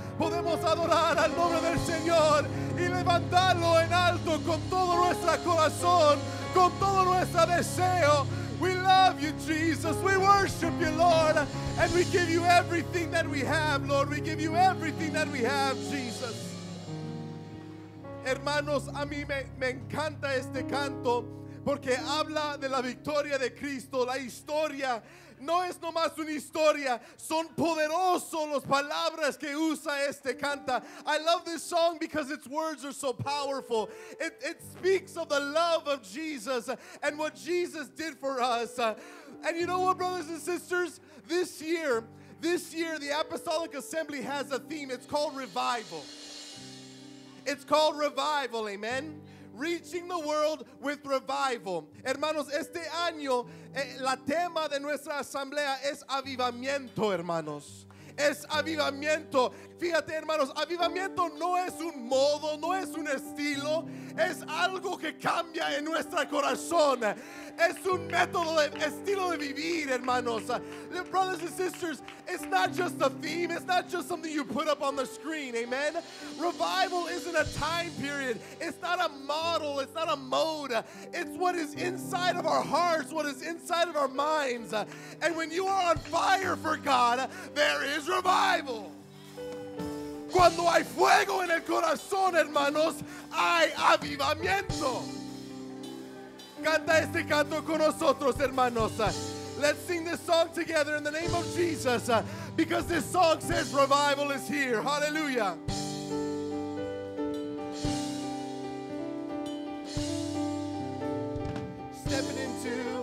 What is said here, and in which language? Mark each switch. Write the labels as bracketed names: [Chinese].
[Spanish] vamos a adorar al nombre del Señor y levantarlo en alto con todo nuestro corazón, con todo nuestro deseo. [English] We love you, Jesus. We worship you, Lord. And we give you everything that we have, Lord. We give you everything that we have, Jesus. [Spanish] Hermanos, a mí me encanta este canto porque habla de la victoria de Cristo. La historia no es nomás una historia. Son poderosos las palabras que usa este canta. [English] I love this song because its words are so powerful. It speaks of the love of Jesus and what Jesus did for us. And you know what, brothers and sisters? This year, the Apostolic Assembly has a theme. It's called revival. It's called revival, amen? Reaching the world with revival. [Spanish] Hermanos, este año, la tema de nuestra asamblea es avivamiento, hermanos. Es avivamiento. Fíjate, hermanos, avivamiento no es un modo, no es un estilo. Es algo que cambia en nuestro corazón. Es un método de estilo de vivir, hermanos. [English] Brothers and sisters, it's not just a theme. It's not just something you put up on the screen, amen? Revival isn't a time period. It's not a model. It's not a mode. It's what is inside of our hearts, what is inside of our minds. And when you are on fire for God, there is revival. [Spanish] Cuando hay fuego en el corazón, hermanos, hay avivamiento. Canta este canto con nosotros, hermanos. [English] Let's sing this song together in the name of Jesus, because this song says revival is here. Hallelujah. Stepping into